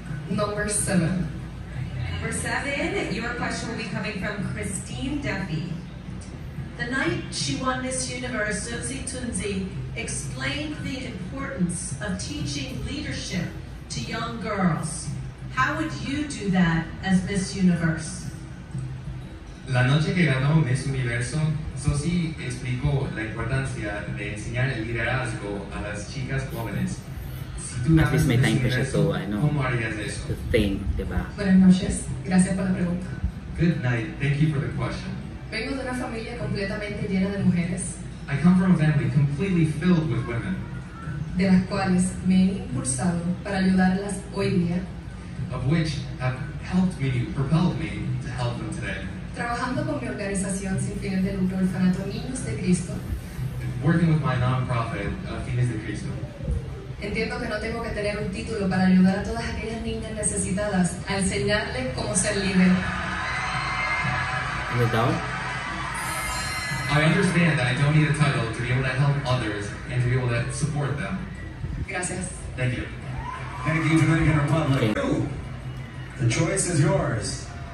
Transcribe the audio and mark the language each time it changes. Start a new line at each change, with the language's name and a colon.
English: Number seven, your question will be coming from Christine Duffy. The night she won Miss Universe, Susie Tunzi explained the importance of teaching leadership to young girls. How would you do that as Miss Universe?
Spanish: La noche que ganó Miss Universo, Susie explicó la importancia de enseñar el liderazgo a las chicas jóvenes. At least may time for you, so I know the thing, diba? Buenas noches. Gracias por la pregunta.
English: Good night. Thank you for the question.
Spanish: Vengo de una familia completamente llena de mujeres.
English: I come from a family completely filled with women.
Spanish: De las cuales me he impulsado para ayudarlas hoy día.
English: Of which have helped me, propelled me to help them today.
Spanish: Trabajando con mi organización sin fines de lucro, Orfanato Niños de Cristo.
English: Working with my non-profit, Fines de Cristo.
Spanish: Entiendo que no tengo que tener un título para ayudar a todas aquellas niñas necesitadas a enseñarles cómo ser libre.
English: I understand that I don't need a title to be able to help others and to be able to support them.
Spanish: Gracias.
English: Thank you. Thank you, Dominican Republic. Okay. The choice is yours.